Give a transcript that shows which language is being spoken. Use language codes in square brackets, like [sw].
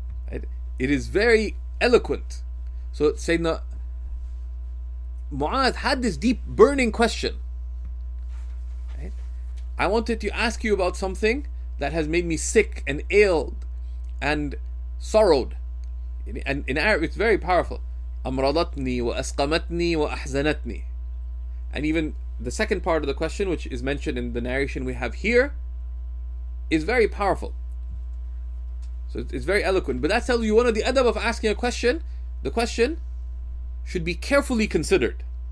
[en] It is very eloquent. So Sayyidina Mu'adh had this deep burning question. I wanted to ask you about something that has made me sick and ailed and sorrowed. And in Arabic, it's very powerful. [ar] أمرضتني وأسقمتني وأحزنتني. [en] And even the second part of the question, which is mentioned in the narration we have here, is very powerful. So it's very eloquent. But that tells you one of the adab of asking a question. The question should be carefully considered.